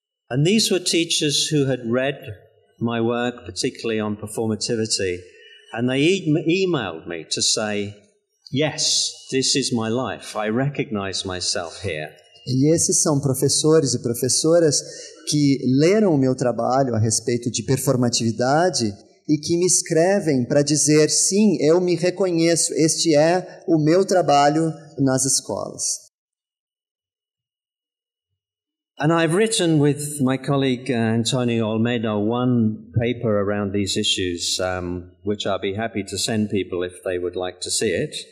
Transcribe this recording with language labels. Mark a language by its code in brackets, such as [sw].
[en] And these were teachers who had read my work, particularly on performativity, and they emailed me to say, yes, this is my life, I recognize myself here. [pt] E esses são professores e professoras que leram o meu trabalho a respeito de performatividade e que me escrevem para dizer, sim, eu me reconheço, este é o meu trabalho nas escolas. [en] And I've written with my colleague Antonio Almeida one paper around these issues, which I'll be happy to send people if they would like to see it.